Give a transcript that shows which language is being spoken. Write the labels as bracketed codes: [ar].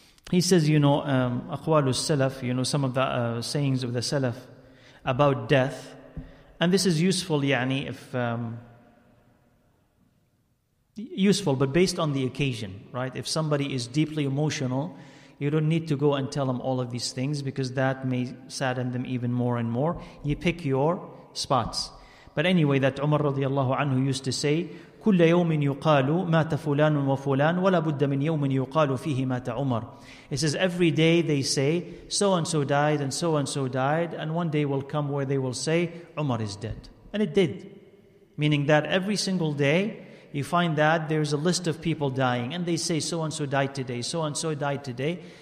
[en] He says, you know, [ar] أَقْوَالُ السَّلَفْ, [en] you know, some of the sayings of the Salaf about death. And this is useful, [ar] يعني, [en] useful, but based on the occasion, right? If somebody is deeply emotional, you don't need to go and tell them all of these things because that may sadden them even more and more. You pick your spots. But anyway, that Umar radiallahu anhu used to say, [ar] كُلَّ يَوْمٍ يُقَالُ مَاتَ فُلَانٌ وَفُلَانٌ وَلَا بُدَّ مِنْ يَوْمٍ يُقَالُ فِيهِ مَاتَ عُمَرٌ. [en] It says, every day they say, so-and-so died and so-and-so died, and one day will come where they will say, Umar is dead. And it did. Meaning that every single day, you find that there's a list of people dying, and they say, so-and-so died today, so-and-so died today.